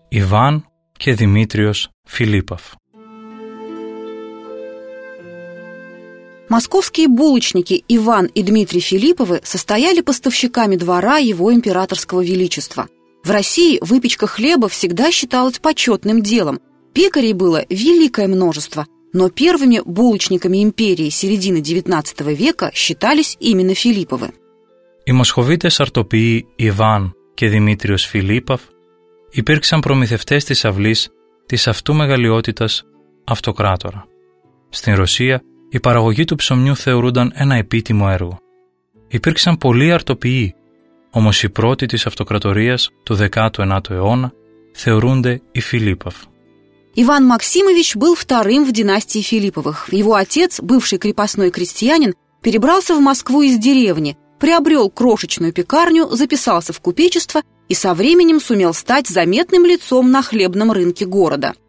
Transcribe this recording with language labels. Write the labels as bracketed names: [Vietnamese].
[Greek] Иван και Δημήτριος Филиппов. [Russian] Московские булочники Иван и Дмитрий Филипповы состояли поставщиками двора его императорского величества. В России выпечка хлеба всегда считалась почетным делом. Пекарей было великое множество, но первыми булочниками империи середины XIX века считались именно Филипповы. [Greek] Οι московитες αρτοποιοί Иван και Δημήτριος Филиппов υπήρξαν προμηθευτές της αυλής της αυτού μεγαλειότητας αυτοκράτορα. Στην Ρωσία η παραγωγή του ψωμιού θεωρούνταν ένα επίτιμο έργο. Υπήρξαν πολλοί αρτοποιοί, όμως οι πρώτοι της αυτοκρατορίας του 19ου αιώνα θεωρούνται οι Филипповы. [Russian] Иван Максимович был вторым в династии Филипповых. Его отец, бывший крепостной крестьянин, перебрался в Москву из деревни, приобрел крошечную пекарню, записался в купечество и со временем сумел стать заметным лицом на хлебном рынке города.